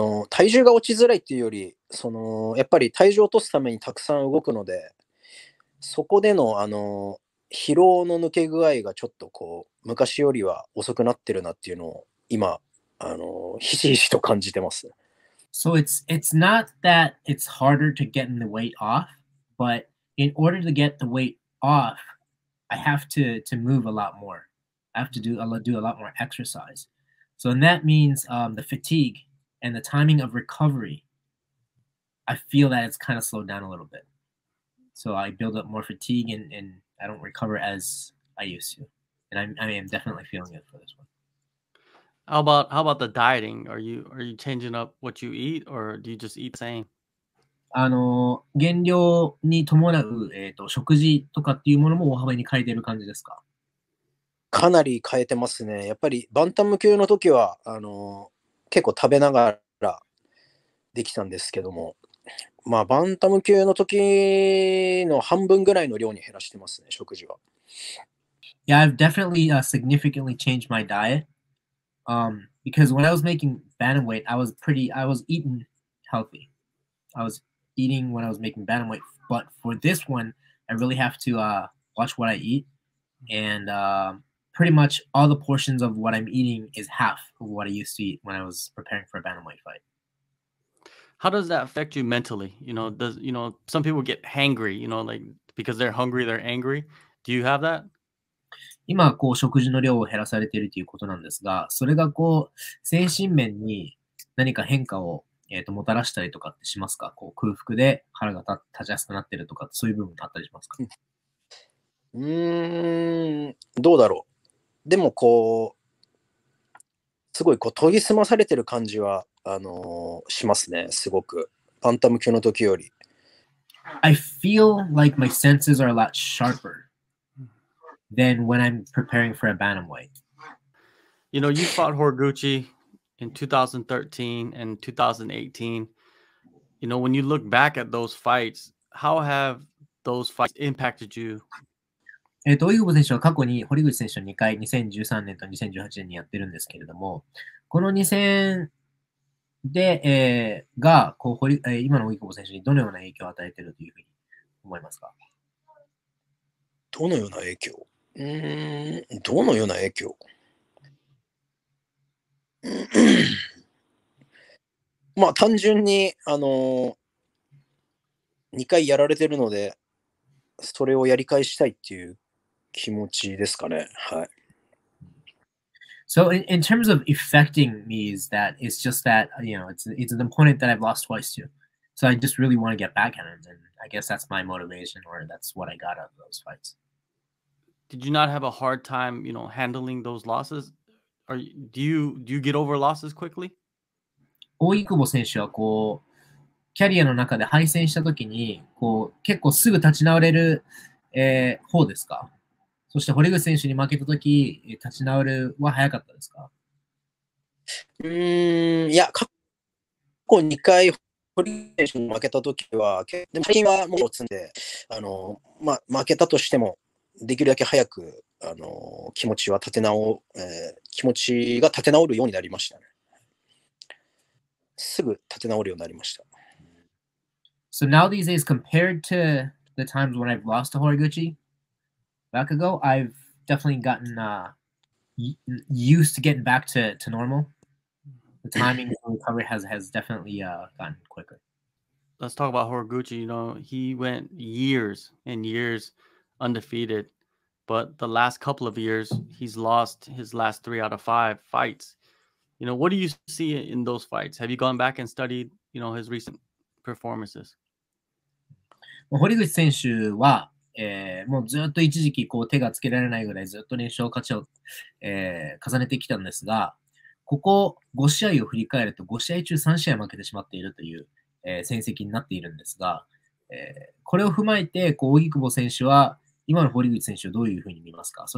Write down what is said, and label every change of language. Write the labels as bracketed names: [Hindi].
[Japanese] 体重が落ちづらいっていうより、その、やっぱり体重を落とすためにたくさん動くので、そこでの、疲労の抜け具合がちょっとこう昔よりは遅くなってるなっていうのを今ひしひしと感じてます。 [English] So it's not that it's harder to get the weight off, but in order to get the weight off, I have to move a lot more. I have to do a lot more exercise. So and that means the fatigue and the timing of recovery. I feel that it's kind of slowed down a little bit. So I build up more fatigue and I don't recover as I used to. And I'm definitely feeling it for this one. How about the dieting? Are you changing up what you eat or do you just eat the same? [Japanese] 減量に伴う、食事とかっていうものも大幅に変えてる感じですか？かなり変えてますね。やっぱりバンタム級の時は結構食べながらできたんですけども、まあ、バンタム級の時の半分ぐらいの量に減らしてますね、食事は。 [English] Yeah, I've definitely significantly changed my diet. Because when I was making bantamweight, I was eating healthy. I was eating when I was making bantamweight. But for this one, I really have to watch what I eat. And pretty much all the portions of what I'm eating is half of what I used to eat when I was preparing for a bantamweight fight. How does that affect you mentally? You know, does, you know, some people get hangry, you know, like because they're hungry, they're angry. Do you have that? [Japanese] 今こう食事の量を減らされているということなんですが、それがこう精神面に何か変化をもたらしたりとかってしますか？こう空腹で腹が立ちやすくなってるとか、そういう部分があったりしますか？どうだろう。でもこうすごいこう研ぎ澄まされてる感じはしますね。すごくバンタム級の時より。 [English] I feel like my senses are a lot sharper than when I'm preparing for a bantamweight. You know, you fought Horiguchi in 2013 and 2018. You know, when you look back at those fights, how have those fights impacted you? [Japanese] オイグボ選手は過去に堀口選手を2回、2013年と2018年にやってるんですけれども、この2000で、がこう堀、今のオイグボ選手にどのような影響を与えているというふうに思いますか？どのような影響？どのような影響？まあ単純に2回やられてるので、それをやり返したいっていう気持ちですかね。はい。 [English] So in terms of affecting me is that it's just that, you know, it's an opponent that I've lost twice to. So I just really want to get back at him. And I guess that's my motivation or that's what I got out of those fights. Did you not have a hard time, you know, handling those losses? Or do you get over losses quickly? [Japanese] 扇久保選手はこう、キャリアの中で敗戦したときに、こう、結構すぐ立ち直れる、方ですか？そして堀口選手に負けたとき、立ち直るは早かったですか？いや、過去2回堀口選手に負けたときは、でも最近はもう落ちんで、負けたとしても、できるだけ早く気持ちは立て直、気持ちが立て直るようになりましたね。すぐ立て直るようになりました。 [English] So now these days, compared to the times when I've lost to Horiguchi,back ago, I've definitely gotten used to getting back to normal. The timing of recovery has definitely gotten quicker. Let's talk about Horiguchi. You know, he went years and years undefeated, but the last couple of years, he's lost his last 3 out of 5 fights. You know, what do you see in those fights? Have you gone back and studied, you know, his recent performances? [Japanese] Well, Horiguchi 選手はもうずっと一時期こう手がつけられないぐらいずっと連勝勝ちを、重ねてきたんですが、ここ5試合を振り返ると5試合中3試合負けてしまっているという、戦績になっているんですが、これを踏まえて扇久保選手は今の堀口選手をどういうふうに見ますか？